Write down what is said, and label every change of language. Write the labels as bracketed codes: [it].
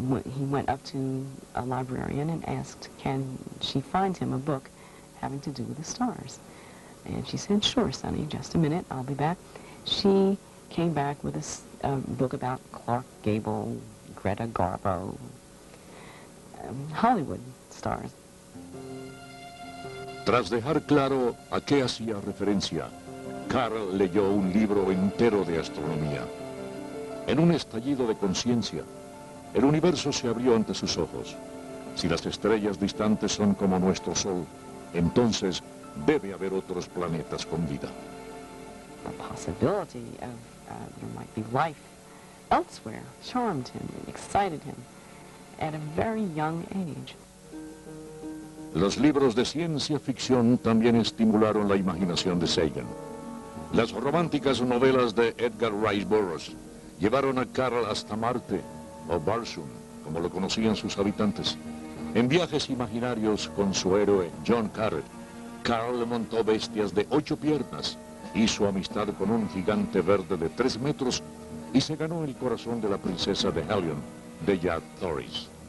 [en] He went up to a librarian and asked, can she find him a book having to do with the stars? And she said, sure, Sonny, just a minute, I'll be back. She came back with a book about Clark Gable, Greta Garbo, Hollywood stars. [es] Tras dejar claro a qué hacía referencia, Carl leyó un libro entero de astronomía. En un estallido de conciencia, el universo se abrió ante sus ojos. Si las estrellas distantes son como nuestro Sol, entonces debe haber otros planetas con vida. [en] The possibility of there might be life elsewhere charmed him and excited him at a very young age. [es] Los libros de ciencia ficción también estimularon la imaginación de Sagan. Las románticas novelas de Edgar Rice Burroughs llevaron a Carl hasta Marte, o Barsoom, como lo conocían sus habitantes. En viajes imaginarios con su héroe, John Carter, Carl montó bestias de 8 piernas, hizo amistad con un gigante verde de 3 metros y se ganó el corazón de la princesa de Helion, Deya Thoris.